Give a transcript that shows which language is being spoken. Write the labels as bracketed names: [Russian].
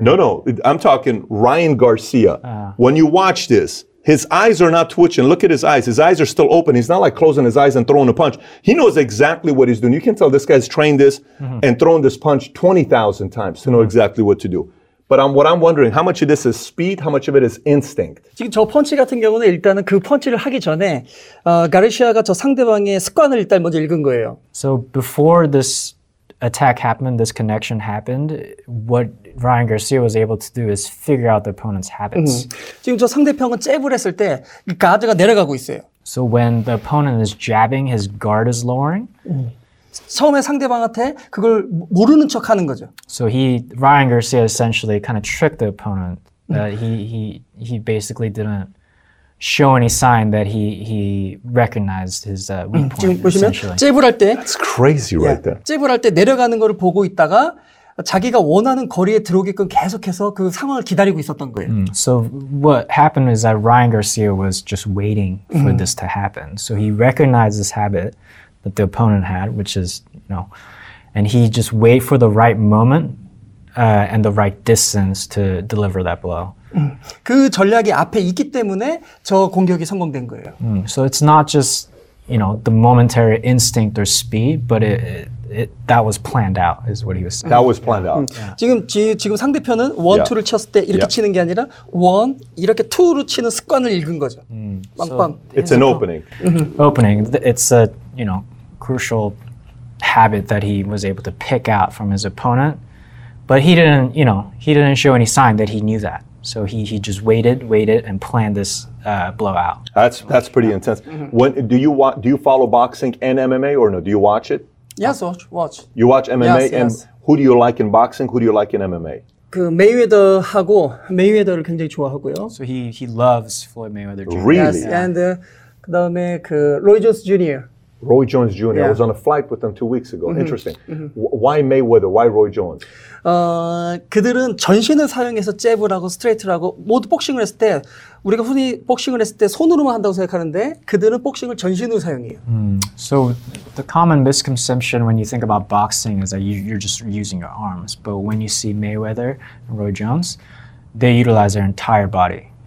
[English] No. I'm talking Ryan Garcia. When you watch this, his eyes are not twitching. Look at his eyes. His eyes are still open. He's not like closing his eyes and throwing a punch. He knows exactly what he's doing. You can tell this guy's trained this mm-hmm. and thrown this punch 20,000 times to know mm-hmm. exactly what to do. But what I'm wondering, how much of this is speed? How much of it is instinct? [Korean] 지금 저 펀치 같은 경우는 일단은 그 펀치를 하기 전에 가르시아가 저 상대방의 습관을 일단 먼저 읽은 거예요. [English] So before this attack happened, this connection happened, what Ryan Garcia was able to do is figure out the opponent's habits. [Korean] 지금 저 상대편은 잽을 했을 때 가드가 내려가고 있어요. [English] So when the opponent is jabbing, his guard is lowering. [Korean] 처음에 상대방한테 그걸 모르는 척 하는 거죠. [English] So Ryan Garcia essentially kind of tricked the opponent. He basically didn't show any sign that he recognized his weak point. [Korean] 지금 보시면 잽을 할 때 [English] That's crazy right there. [Korean] 잽을 할 때 내려가는 거를 보고 있다가 자기가 원하는 거리에 들어오게끔 계속해서 그 상황을 기다리고 있었던 거예요. [English] So what happened is that Ryan Garcia was just waiting for this to happen. So he recognized this habit that the opponent had, which is, you know, and he just wait for the right moment and the right distance to deliver that blow. [Korean] 그 전략이 앞에 있기 때문에 저 공격이 성공된 거예요. [English] So it's not just, you know, the momentary instinct or speed, but it that was planned out is what he was saying. That was planned out. [Korean] 지금 상대편은 원투를 쳤을 때 이렇게 yeah. 치는 게 아니라 원 이렇게 투로 치는 습관을 읽은 거죠. 빵빵. [English] So it's an opening. Opening. It's a, you know, crucial habit that he was able to pick out from his opponent. But he didn't, you know, he didn't show any sign that he knew that. So he just waited and planned this blowout. That's pretty intense. Mm-hmm. Do you follow boxing and MMA or no? Do you watch it? Yes, watch. You watch MMA? Yes, and yes. Who do you like in boxing? Who do you like in MMA? [Korean] 그 메이웨더하고 메이웨더를 굉장히 좋아하고요. [English] So he loves Floyd Mayweather Jr. Really? Yes, yeah. And [Korean] 그다음에 그 [English] Roy Jones Jr. Roy Jones Jr. Yeah. I was on a flight with them 2 weeks ago. Mm-hmm. Interesting. Mm-hmm. Why Mayweather? Why Roy Jones? [Korean] 그들은 전신을 사용해서 잽을 하고 스트레이트를 하고 모두 복싱을 했을 때 우리가 흔히 복싱을 했을 때 손으로만 한다고 생각하는데 그들은 복싱을 전신으로 사용해요. [English] So the common misconception when you think about boxing is that you're just using your arms. But when you see Mayweather and Roy Jones, they utilize their entire body.